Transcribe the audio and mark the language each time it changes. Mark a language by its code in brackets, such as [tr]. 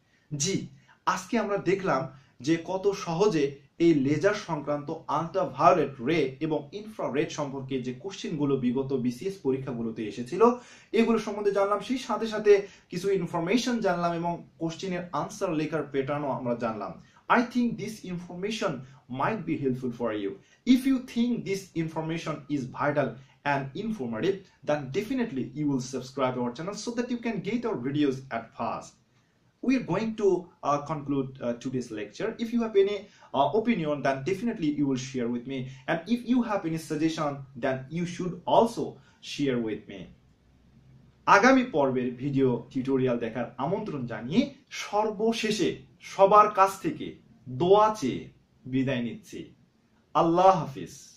[bn] জি, আজকে আমরা দেখলাম যে কত সহজে এই লেজার সংক্রান্ত আল্ট্রাভায়োলেট রে এবং ইনফ্রারেড সম্পর্কে যে কোশ্চেনগুলো বিগত বিসিএস পরীক্ষাগুলোতে এসেছিল এগুলো সম্বন্ধে জানলাম, সেই সাথে সাথে কিছু ইনফরমেশন জানলাম এবং কোশ্চেনের আনসার লেখার প্যাটার্নও আমরা জানলাম। [en] I think this information might be helpful for you. If you think this information is vital and informative, then definitely you will subscribe our channel so that you can get our videos at first. We are going to conclude today's lecture. If you have any opinion, then definitely you will share with me. And if you have any suggestion, then you should also share with me. [bn] আগামী পর্বের video tutorial দেখার আমন্ত্রণ জানিয়ে সর্বশেষে সবার কাছ থেকে দোয়া চেয়ে বিদায় নিচ্ছি। আল্লাহ হাফিজ।